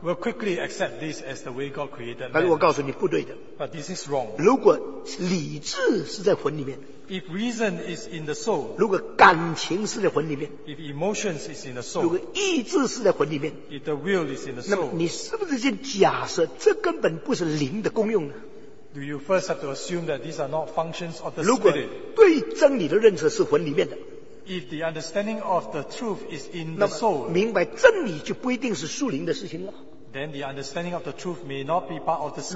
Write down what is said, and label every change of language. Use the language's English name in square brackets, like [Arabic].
[English] We'll quickly accept this as the way God created man. [Chinese] 但是我告诉你不对的。 [English] But this is wrong. [Chinese] 如果理智是在魂里面, [English] if reason is in the soul, [Chinese] 如果感情是在魂里面, [English] if emotions is in the soul, [Chinese] 如果意志是在魂里面, [English] if the will is in the soul, [Chinese] 那么你是不是先假设这根本不是灵的功用呢? [English] Do you first have to assume that these are not functions of the spirit? [Chinese] 如果对真理的认识是魂里面的, [English] if the understanding of the truth is in the soul, [Chinese] 那么明白真理就不一定是属灵的事情了。 [English] Then the understanding of the truth may not be part of the spirit.